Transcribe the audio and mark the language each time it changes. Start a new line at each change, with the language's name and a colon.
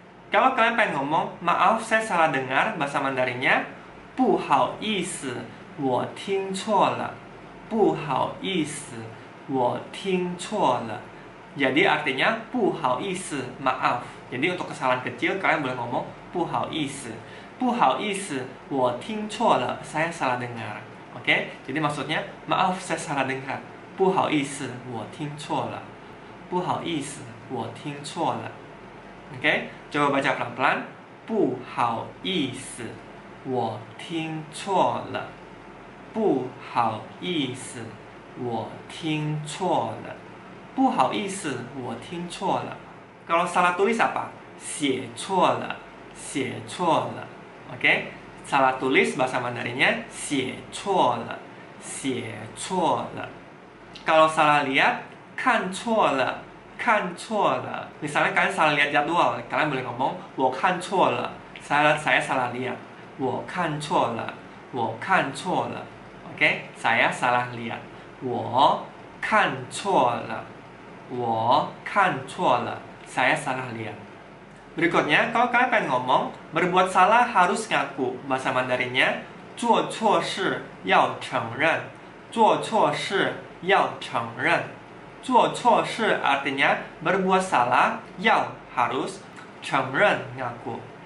Indonesian: Kalau kalian pengen ngomong, maaf saya salah dengar, bahasa Mandarinnya,
Chinese: 不好意思，我听错了。不好意思，我听错了。
Indonesian: Jadi artinya, 不好意思， maaf. Jadi untuk kesalahan kecil, kalian boleh ngomong, 不好意思。
Chinese: 不好意思，我听错了，
Indonesian: saya salah dengar. Oke, jadi maksudnya, maaf saya salah dengar.
Chinese: 不好意思，我听错了。不好意思，我听错了。 OK， 就我们讲 plan plan， 不好意思，我听错了，不好意思，我听错了，不好意思，我听错了。
Indonesian: kalau salah tulis apa？
Chinese: 写错了，写错了。
Indonesian: OK， salah tulis bahasa Mandarinnya
Chinese: 写错了，写错了。
Indonesian: kalau salah lihat，
Chinese: 看错了，看错了。
Indonesian: misalnya kalian salah lihat jadwal， kalian boleh ngomong，
Chinese: 我看错了，
Indonesian: saya salah lihat。
Chinese: 我看错了，我看错了 ，OK，
Indonesian: saya salah lihat，
Chinese: 我看错了，我看错了， saya salah lihat。
Indonesian: Berikutnya， kalau kalian pengen ngomong berbuat salah harus ngaku， bahasa Mandarinnya，
Chinese: 做错事要承认，做错事要承认，做错事
Indonesian: artinya berbuat salah， 要 harus 承认ngaku。